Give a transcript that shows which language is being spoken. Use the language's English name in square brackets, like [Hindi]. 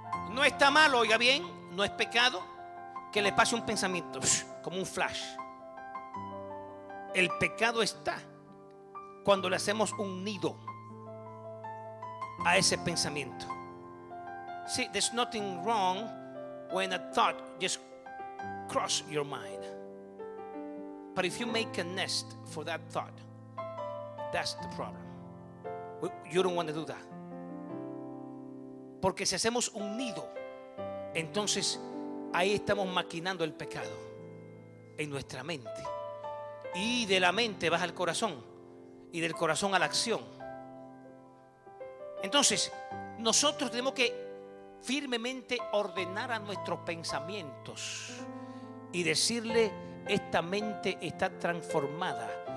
[Spanish] No está mal, oiga bien, no es pecado que le pase un pensamiento como un flash. El pecado está cuando le hacemos un nido a ese pensamiento. [English] See, there's nothing wrong when a thought just cross your mind, but if you make a nest for that thought, that's the problem. You don't want to do that. [Spanish] Porque si hacemos un nido, entonces ahí estamos maquinando el pecado en nuestra mente. Y de la mente baja al corazón, y del corazón a la acción. Entonces, nosotros tenemos que firmemente ordenar a nuestros pensamientos y decirle: esta mente está transformada.